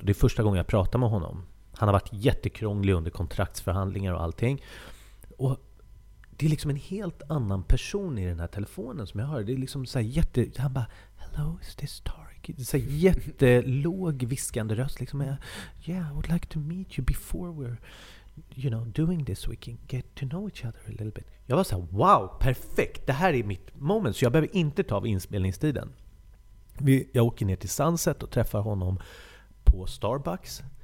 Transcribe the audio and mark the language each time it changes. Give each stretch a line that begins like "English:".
Swedish: Det är första gången jag pratar med honom. Han har varit jättekrånglig under kontraktsförhandlingar och allting. Och det är liksom en helt annan person i den här telefonen som jag hör. Det är liksom så här jätte... Han bara,
English: hello, is this Tarik?
Swedish: Det är så här jättelåg viskande röst. Liksom.
English: Yeah, I would like to meet you before we're, you know, doing this. We can get to know each other a little bit.
Swedish: Jag var så här, wow, perfekt. Det här är mitt moment. Så jag behöver inte ta av inspelningstiden. Jag åker ner till Sunset och träffar honom på Starbucks.